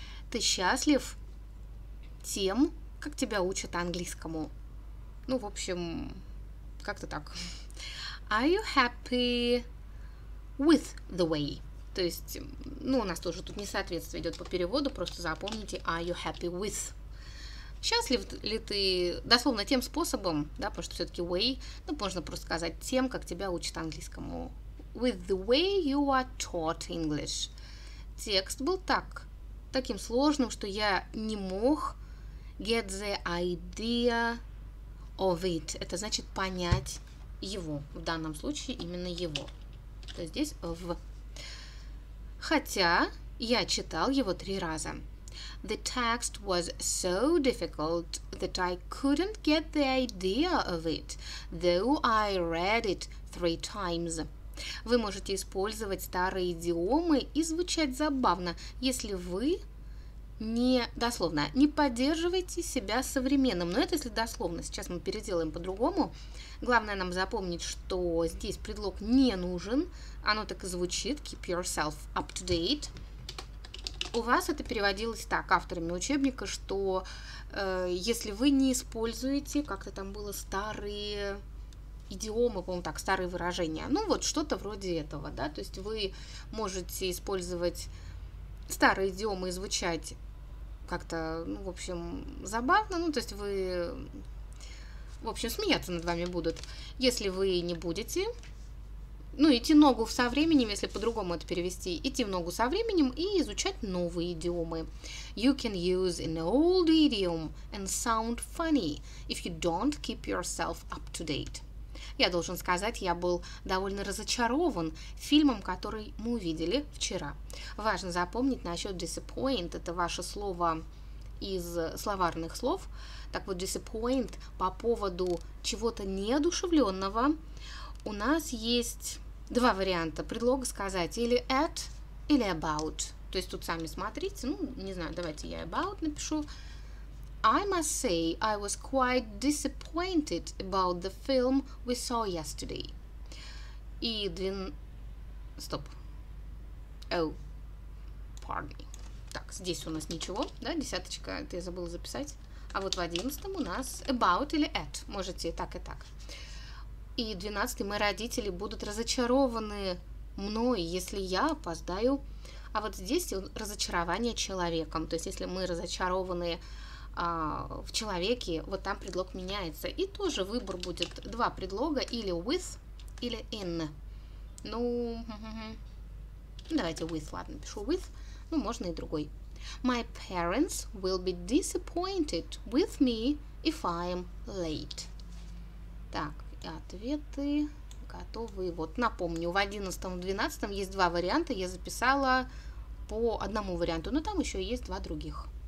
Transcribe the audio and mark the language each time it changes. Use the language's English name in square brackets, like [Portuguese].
[Russian] Ты счастлив тем, как тебя учат английскому? Ну, в общем, как-то так. [English] Are you happy with the way? [Russian] То есть, ну, у нас тоже тут несоответствие идет по переводу, просто запомните, [English] are you happy with? [Russian] Счастлив ли ты, дословно, тем способом, да, потому что все-таки way, ну, можно просто сказать тем, как тебя учат английскому. [English] With the way you are taught English. [Russian] Текст был так, таким сложным, что я не мог [English] get the idea of it. [Russian] Это значит понять его, в данном случае именно его. То есть здесь в. Хотя я читал его 3 раза. [English] The text was so difficult that I couldn't get the idea of it, though I read it 3 times. [Russian] Вы можете использовать старые идиомы и звучать забавно, если вы не дословно не поддерживаете себя современным. Но это если дословно. Сейчас мы переделаем по-другому. Главное нам запомнить, что здесь предлог не нужен. Оно так и звучит. [English] Keep yourself up to date. [Russian] У вас это переводилось так, авторами учебника, что если вы не используете, как-то там было, старые идиомы, по-моему, так, старые выражения. Ну, вот что-то вроде этого, да, то есть вы можете использовать старые идиомы и звучать как-то, ну, в общем, забавно, ну, то есть вы, в общем, смеяться над вами будут, если вы не будете, ну, идти ногу со временем, если по-другому это перевести, идти в ногу со временем и изучать новые идиомы. [English] You can use an old idiom and sound funny if you don't keep yourself up to date. [Russian] Я должен сказать, я был довольно разочарован фильмом, который мы увидели вчера. Важно запомнить насчет disappoint, это ваше слово из словарных слов. Так вот, disappoint по поводу чего-то неодушевленного. У нас есть два варианта предлога сказать, или at, или about. То есть тут сами смотрите, ну, не знаю, давайте я about напишу. [English] I must say, I was quite disappointed about the film we saw yesterday. [Russian] Стоп. [English] Pardon me. [Russian] Так, здесь у нас ничего, да, десяточка, это я забыла записать. А вот в одиннадцатом у нас about или at, можете так и так. И двенадцатый, мои родители будут разочарованы мной, если я опоздаю. А вот здесь разочарование человеком, то есть если мы разочарованы в человеке, вот там предлог меняется. И тоже выбор будет два предлога, или with, или in. Ну, давайте with, ладно, пишу with, ну, можно и другой. [English] My parents will be disappointed with me if I'm late. [Russian] Так, и ответы готовы. Вот, напомню, в 11-м, в 12-м есть два варианта, я записала по одному варианту, но там еще есть два других.